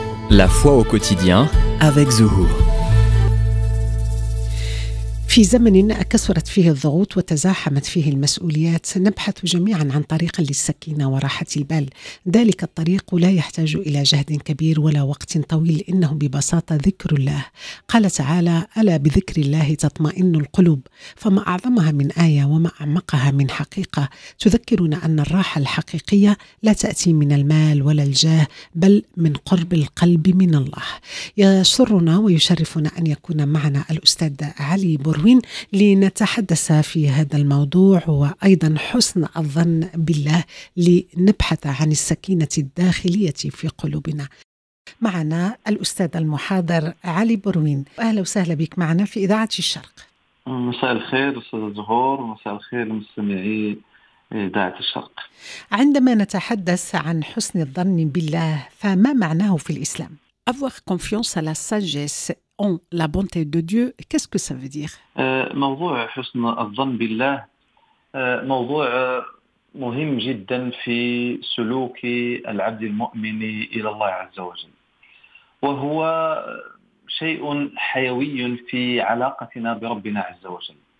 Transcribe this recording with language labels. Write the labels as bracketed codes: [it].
[fr] La foi au quotidien avec Zuhour. [ar] في زمن أكثرت فيه الضغوط وتزاحمت فيه المسؤوليات نبحث جميعا عن طريق للسكينة وراحة البال. ذلك الطريق لا يحتاج إلى جهد كبير ولا وقت طويل، إنه ببساطة ذكر الله. قال تعالى: ألا بذكر الله تطمئن القلوب. فما أعظمها من آية وما أعمقها من حقيقة تذكرنا أن الراحة الحقيقية لا تأتي من المال ولا الجاه، بل من قرب القلب من الله. يسرنا ويشرفنا أن يكون معنا الأستاذ علي بروين لنتحدث في هذا الموضوع، وأيضا حسن الظن بالله لنبحث عن السكينة الداخلية في قلوبنا. معنا الأستاذ المحاضر علي بروين، أهلا وسهلا بك معنا في إذاعة الشرق. مساء الخير أستاذ زهور، مساء الخير مستمعي إذاعة الشرق. عندما نتحدث عن حسن الظن بالله، فما معناه في الإسلام؟ [fr] avoir confiance à la sagesse en la bonté de Dieu, qu'est-ce que ça veut dire? [ar] موضوع حسن الظن بالله موضوع مهم جدا في سلوك العبد المؤمن إلى الله عز وجل، وهو شيء حيوي في علاقتنا بربنا عز وجل.